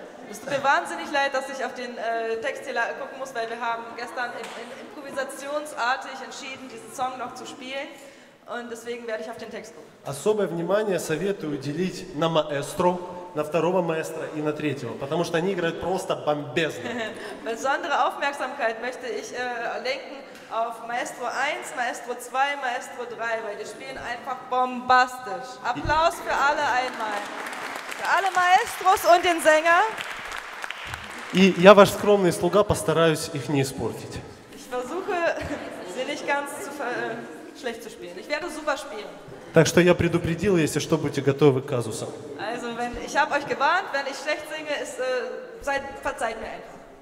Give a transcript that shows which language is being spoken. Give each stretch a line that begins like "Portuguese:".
German: Es tut mir wahnsinnig leid, dass ich auf den Text hier gucken muss, weil wir haben gestern improvisationsartig entschieden, diesen Song noch zu spielen. Und deswegen werde ich auf den Text gucken.
Russian: Особое внимание советую делить на маэстро, на второго маэстро и на третьего, потому что они играют просто бомбезно.
German: Besondere Aufmerksamkeit möchte ich lenken auf Maestro 1, Maestro 2, Maestro 3, weil die spielen einfach bombastisch. Applaus für alle einmal. Alle Maestros und den Sänger.
Russian: И я ваш скромный слуга постараюсь их не испортить.
German: Ich versuche, sie nicht ganz zu schlecht zu spielen. Ich werde super spielen.
Russian: Так что я предупредил, если что, будьте готовы к казусам.
German: Also, wenn ich habe euch gewarnt, wenn ich schlecht singe, ist verzeiht mir einfach.